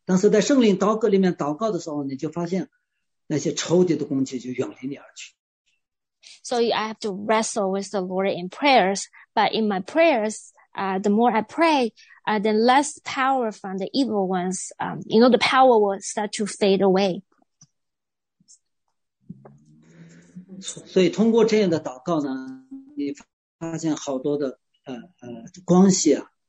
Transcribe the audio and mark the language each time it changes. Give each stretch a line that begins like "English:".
Chinese: 但是在圣灵祷告里面祷告的时候，你就发现那些仇敌的攻击就远离你而去。
English: So I have to wrestle with the Lord in prayers, but in my prayers, the more I pray, the less power from the evil ones. You know, the power will start to fade away.
Chinese: 所以通过这样的祷告呢，你发现好多的关系啊。